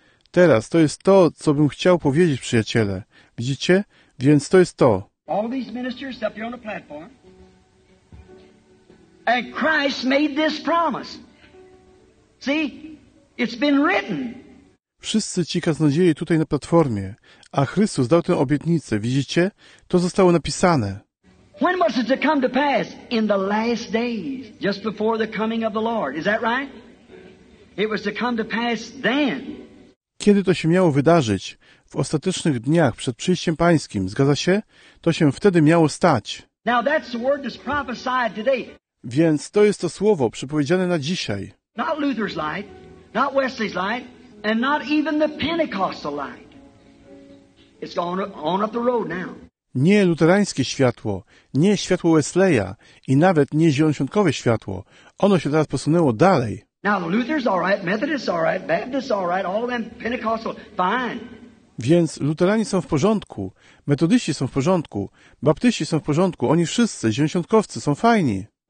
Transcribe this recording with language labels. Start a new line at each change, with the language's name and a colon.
Polish: Teraz to jest to, co bym chciał powiedzieć, przyjaciele. Widzicie? Więc to jest to.
English: All these ministers up here on the platform. And Christ made this promise. See? It's been written.
Polish: Wszyscy ci kaznodzieje tutaj na platformie, a Chrystus dał tę obietnicę. Widzicie? To zostało napisane.
English: When was it to come to pass? In the last days, just before the coming of the Lord. Is that right? It was to come to pass then.
Polish: Kiedy to się miało wydarzyć? W ostatecznych dniach przed przyjściem Pańskim, zgadza się? To się wtedy miało stać.
English: Now that's the word that's prophesied today.
Polish: Więc to jest to słowo przepowiedziane na dzisiaj.
English: Not Luther's light, not Wesley's light, and not even the Pentecostal light. It's gone on up the road now.
Polish: Nie luterańskie światło, nie światło Wesleya i nawet nie zielonoświątkowe światło. Ono się teraz posunęło dalej.
English: Now Luther's all right, Methodist's all right, Baptist's all right, all of them Pentecostal, fine.
Polish: Więc luteranie są w porządku, metodyści są w porządku, baptyści są w porządku, oni wszyscy, zielonoświątkowcy, są fajni.